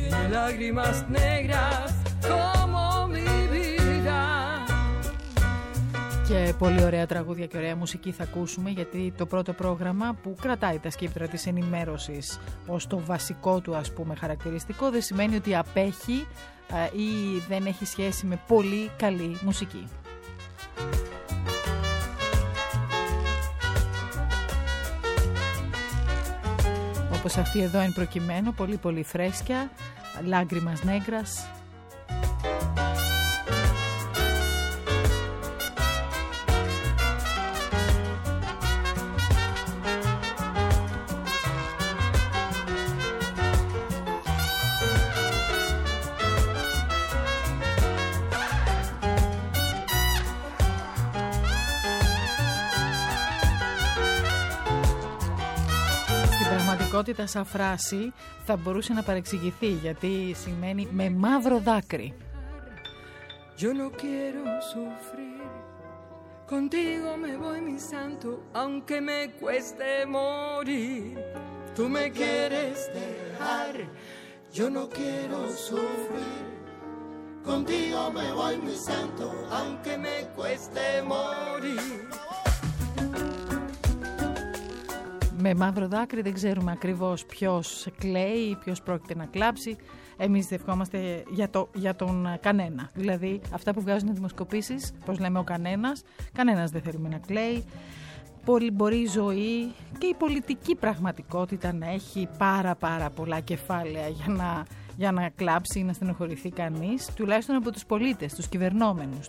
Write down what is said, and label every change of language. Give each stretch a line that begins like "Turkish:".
Spanish: Lágrimas negras como mi vida.
Greek: Και πολύ ωραία τραγούδια και ωραία μουσική θα ακούσουμε, γιατί το πρώτο πρόγραμμα που κρατάει τα σκύπτρα της ενημέρωσης ως το βασικό του ας πούμε χαρακτηριστικό, δεν σημαίνει ότι απέχει ή δεν έχει σχέση με πολύ καλή μουσική. Όπως αυτή εδώ εν προκειμένου, πολύ πολύ φρέσκια, Lágrimas Negras. Ότι τα σαν φράση θα μπορούσε να παρεξηγηθεί, γιατί σημαίνει με μαύρο δάκρυ.
Spanish: Yo no quiero sufrir. Contigo me voy mi santo, aunque me cueste morir. Tú me quieres dejar. Yo no quiero sufrir. Contigo me voy mi santo, aunque me cueste morir.
Greek: Με μαύρο δάκρυ, δεν ξέρουμε ακριβώς ποιος κλαίει ή ποιος πρόκειται να κλάψει. Εμείς ευχόμαστε για τον κανένα. Δηλαδή, αυτά που βγάζουν οι δημοσκοπήσεις, πώς λέμε ο κανένας, κανένας δεν θέλουμε να κλαίει. Μπορεί η ζωή και η πολιτική πραγματικότητα να έχει πάρα πολλά κεφάλαια για να κλάψει ή να στενοχωρηθεί κανείς, τουλάχιστον από τους πολίτες, τους κυβερνόμενους.